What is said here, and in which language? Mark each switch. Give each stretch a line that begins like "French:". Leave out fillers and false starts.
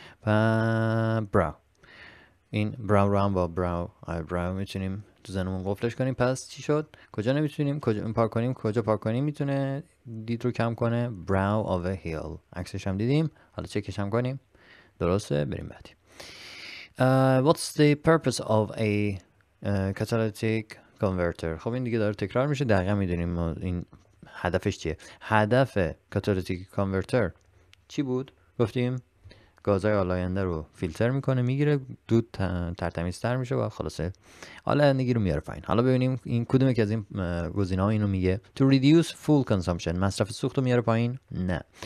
Persian: و براو، این براو رو هم با براو آی براو میتونیم تو ذهنمون قفلش کنیم. پس چی شد؟ کجا نمیتونیم؟ کجا پارک کنیم؟ کجا پارک کنیم میتونه دید رو کم کنه؟
English: brow of a hill.
Persian: عکسش هم دیدیم، حالا چکش هم کنیم درسته. بریم بعدی.
English: What's the purpose of a catalytic converter.
Persian: خب این دیگه داره تکرار میشه، دقیقا میدونیم این هدفش چیه. هدف catalytic converter چی بود؟ گفتیم گازهای آلاینده رو فیلتر میکنه، میگیره دود، ترتمیزتر میشه و خلاصه آلاینده رو میاره پایین. حالا ببینیم این کدومه که از این گزینه‌ها اینو میگه.
English: To reduce fuel consumption،
Persian: مصرف سوخت رو میاره پایین؟ نه.